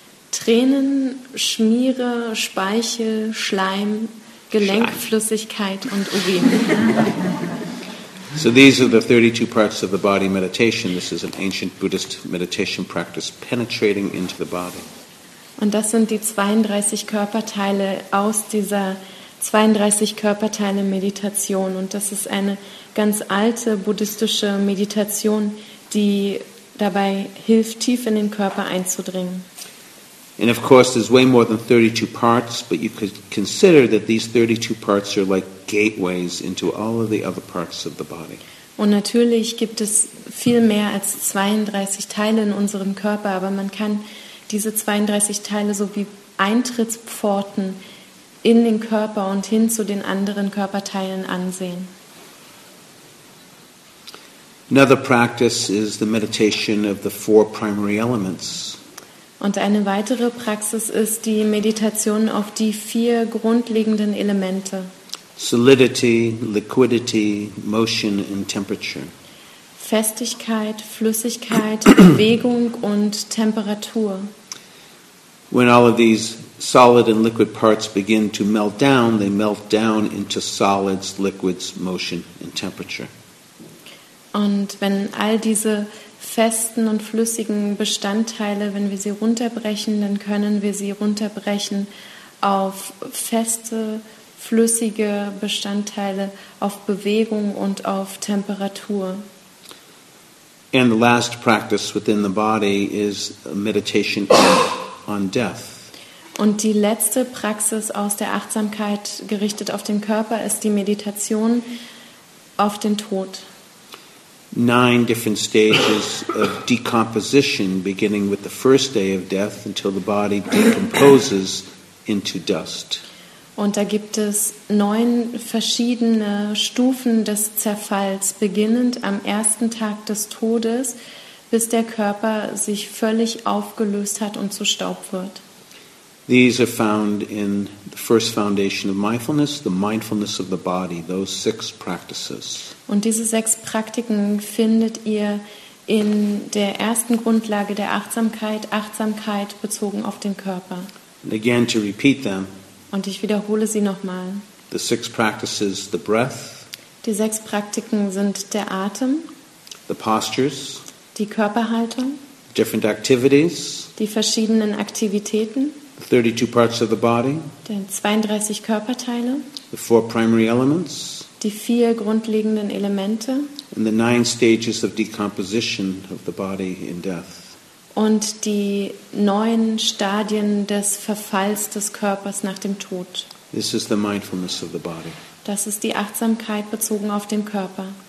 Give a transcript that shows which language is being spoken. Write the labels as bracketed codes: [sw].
[de] Tränen, Schmiere, Speichel, Schleim, Gelenkflüssigkeit und Urin. [en] So these are the 32 parts of the body meditation. This is an ancient Buddhist meditation practice penetrating into the body. [de] Und das sind die 32 Körperteile aus dieser 32 Körperteile Meditation. Und das ist eine ganz alte buddhistische Meditation, die dabei hilft, tief in den Körper einzudringen. [en] And of course, there's way more than 32 parts, but you could consider that these 32 parts are like gateways into all of the other parts of the body. [de] Und natürlich gibt es viel mehr als 32 Teile in unserem Körper, aber man kann diese 32 Teile so wie Eintrittspforten in den Körper und hin zu den anderen Körperteilen ansehen. [en] Another practice is the meditation of the four primary elements. [de] Und eine weitere Praxis ist die Meditation auf die vier grundlegenden Elemente. [en] Solidity, liquidity, motion and temperature. [de] Festigkeit, Flüssigkeit, Bewegung und Temperatur. [en] When all of these solid and liquid parts begin to melt down, they melt down into solids, liquids, motion and temperature. [de] Und wenn all diese festen und flüssigen Bestandteile, wenn wir sie runterbrechen, dann können wir sie runterbrechen auf feste, flüssige Bestandteile, auf Bewegung und auf Temperatur. [en] And the last practice within the body is meditation on death. [de] Und die letzte Praxis aus der Achtsamkeit gerichtet auf den Körper ist die Meditation auf den Tod. [en] 9 different stages of decomposition, beginning with the first day of death until the body decomposes into dust. [de] Und da gibt es 9 verschiedene Stufen des Zerfalls, beginnend am ersten Tag des Todes, bis der Körper sich völlig aufgelöst hat und zu Staub wird. [en] These are found in the first foundation of mindfulness, the mindfulness of the body, those 6 practices. [de] Und diese 6 Praktiken findet ihr in der ersten Grundlage der Achtsamkeit, Achtsamkeit bezogen auf den Körper. [en] And again to repeat them. [de] Und ich wiederhole sie nochmal. [en] The 6 practices, the breath. [de] Die 6 Praktiken sind der Atem. [en] The postures. [de] Die Körperhaltung. [en] Different activities. [de] Die verschiedenen Aktivitäten. [en] 32 parts of the body. [de] Die 32 Körperteile. [en] The 4 primary elements. [de] Die 4 grundlegenden Elemente. [en] And the 9 stages of decomposition of the body in death. [de] Und die 9 Stadien des Verfalls des Körpers nach dem Tod. [en] This is the mindfulness of the body. [de] Das ist die Achtsamkeit bezogen auf den Körper.